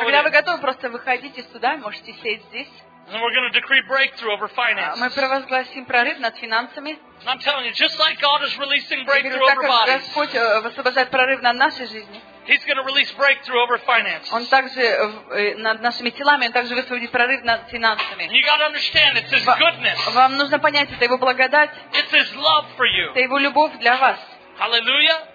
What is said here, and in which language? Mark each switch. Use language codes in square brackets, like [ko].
[ru] Когда вы готовы, просто выходите сюда, можете сесть здесь. [en] And we're going to decree breakthrough over finances. [ru] Мы провозгласим прорыв над финансами. [en] I'm telling you, just like God is releasing breakthrough over bodies. [ru] Господь высвобождает прорыв над нашей жизнью. [en] He's going to release breakthrough over finances. [ru] Он также над нашими телами, он также высвободит прорыв над финансами. [en] You got to understand, it's His goodness. [ru] Вам нужно понять, это Его благодать. [en] It's His love for you. [ru] Это Его любовь для вас. [en] Hallelujah.